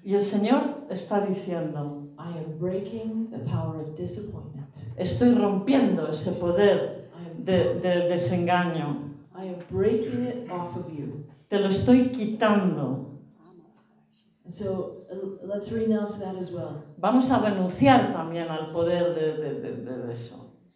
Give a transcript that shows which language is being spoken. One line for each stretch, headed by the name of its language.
Spanish: y el Señor está diciendo,
English: I am breaking the power of disappointment.
Spanish: Estoy rompiendo ese poder de desengaño.
English: I am breaking it off of you.
Spanish: Te lo estoy quitando.
English: So let's renounce that as well.
Spanish: Vamos a renunciar también al poder de eso.